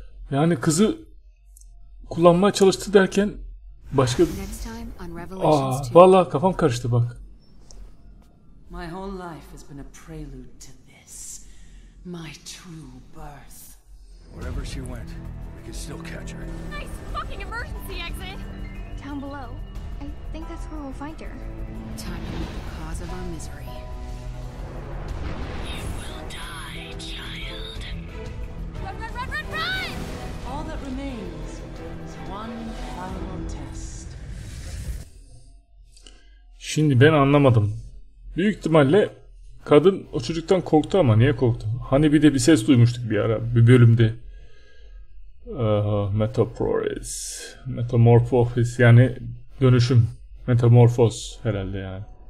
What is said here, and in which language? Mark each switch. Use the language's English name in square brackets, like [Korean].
[Turkish] Yani kızı kullanmaya çalıştı derken başka... Aa, vallahi kafam karıştı bak. [English] My whole life has been a prelude to this. My true birth. Wherever she went, we can still catch her. Nice fucking emergency exit! Down below. I think that's where we'll find her. Time to meet the cause of our misery. You will die, child. Run, run, run, run, run! All that remains is one final test. [Turkish] Şimdi ben anlamadım. Büyük ihtimalle Kadın o çocuktan korktu ama niye korktu? Hani bir de bir ses duymuştuk bir ara, bir bölümde. Metaphoris, metamorphosis, yani dönüşüm, metamorfoz herhalde yani.